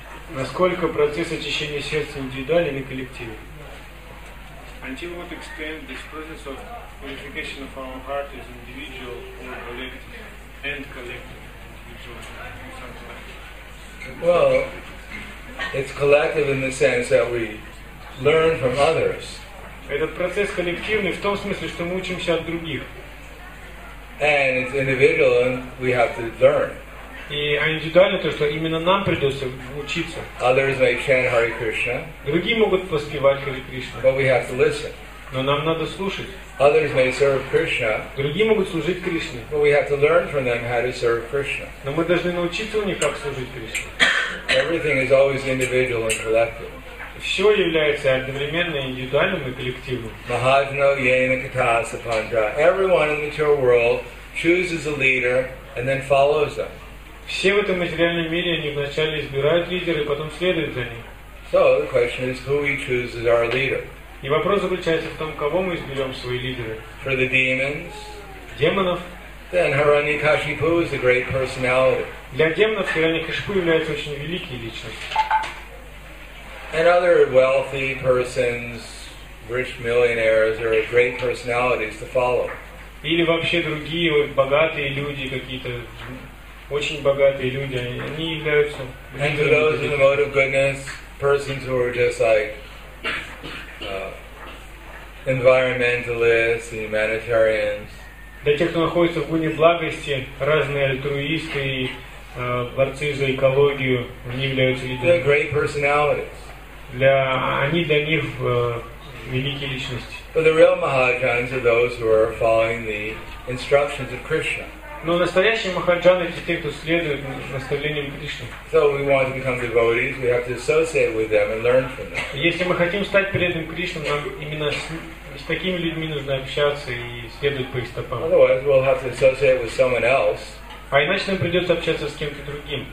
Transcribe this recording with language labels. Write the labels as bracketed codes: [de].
[ru] Насколько процесс очищения сердца индивидуален и коллективен? [en] Until what extent this process of purification of our heart is individual or collective and collective? Well, it's collective in the sense that we learn from others. [ru] Этот процесс коллективный в том смысле, что мы учимся от других. [en] And it's individual and we have to learn. [ru] И индивидуально то, что именно нам придется учиться. [en] Others may chant Hare Krishna. [ru] Другие могут поспевать Hare Krishna. [en] But we have to listen. [ru] Но нам надо слушать. [en] Others may serve Krishna. [ru] Другие могут служить Кришне. [en] But we have to learn from them how to serve Krishna. [ru] Но мы должны научиться у них, как служить Кришне. [en] Everything is always individual and collective. [ru] Все является одновременно индивидуальным и коллективным. [sa] Mahajana, Yena, Katasa, Pandra. [en] Everyone in the material world chooses a leader and then follows them. [ru] Все в этом материальном мире они вначале избирают лидера, и потом следуют за ним. [en] So the question is, who we choose as our leader? [ru] И вопрос заключается в том, кого мы изберем свои лидеры. [en] For the demons. [ru] Демонов. [en] Then Hiranyakashipu is a great personality. [ru] Для демонов Хираньякашипу является очень великой личностью. [en] And other wealthy persons, rich millionaires, are great personalities to follow. [ru] Или вообще другие богатые люди какие-то. Очень богатые люди, они являются. [en] And to those in the mode of goodness, persons who are just like environmentalists, humanitarians. [ru] Для тех, кто находится в гуне благости, разные альтруисты и борцы за экологию, они являются лидерами. [en] Great personalities. [ru] Для, они для них великие личности. [en] But the real Mahajans are those who are following the instructions of Krishna. [ru] Но настоящие махаджаны — это те, кто следует наставлениям Кришны. [en] So we want to become devotees, we have to associate with them and learn from them. [ru] Если мы хотим стать преданным Кришне, нам именно с такими людьми нужно общаться и следовать по их стопам. [en] Otherwise, we'll have to associate with someone else. [ru] А иначе нам придется общаться с кем-то другим.